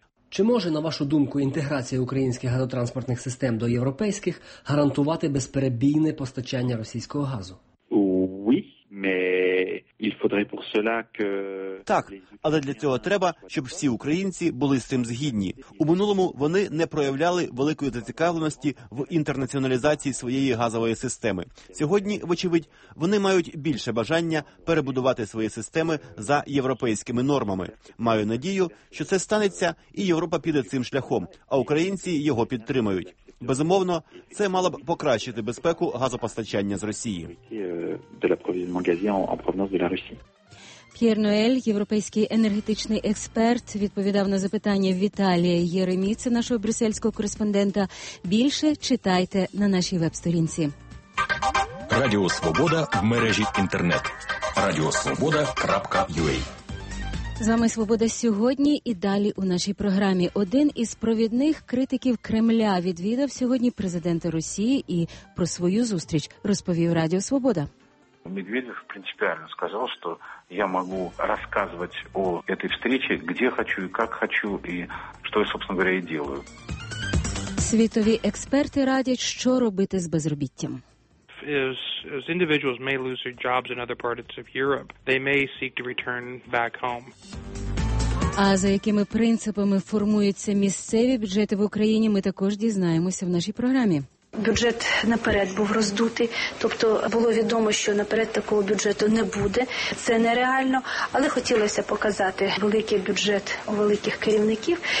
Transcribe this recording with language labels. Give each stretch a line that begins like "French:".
Ukrainian: Чи може, на вашу думку, інтеграція українських газотранспортних систем до європейських гарантувати безперебійне постачання російського газу?
French: Oui, mais il faudrait pour
Ukrainian: Так, але для цього треба, щоб всі українці були з цим згідні. У минулому вони не проявляли великої зацікавленості в інтернаціоналізації своєї газової системи. Сьогодні, вочевидь, вони мають більше бажання перебудувати свої системи за європейськими нормами. Маю надію, що це станеться і Європа піде цим шляхом, а українці його підтримають. Безумовно, це мало б покращити безпеку газопостачання з Росії. П'єр Ноель, європейський енергетичний експерт, відповідав на запитання Віталія Єреміці, нашого брюссельського кореспондента. Більше читайте на нашій веб-сторінці. Радіо Свобода в мережі Інтернет. radiosvoboda.ua. З вами «Свобода сьогодні» і далі у нашій програмі. Один із провідних критиків Кремля відвідав сьогодні президента Росії і про свою зустріч розповів Радіо «Свобода».
Russian: Медведев принципиально сказал, что я могу рассказывать о этой встрече, где хочу и как хочу, и что я, собственно говоря, и делаю.
Ukrainian: Світові експерти радять, що робити з безробіттям.
English: As individuals may lose their jobs in other parts of Europe, they may seek to return back home.
Ukrainian: А за якими принципами формуються місцеві бюджети в Україні, ми також дізнаємося в нашій програмі. Бюджет наперед був роздутий, тобто було відомо, що наперед такого бюджету не буде, це нереально, але хотілося показати великий бюджет у великих керівників.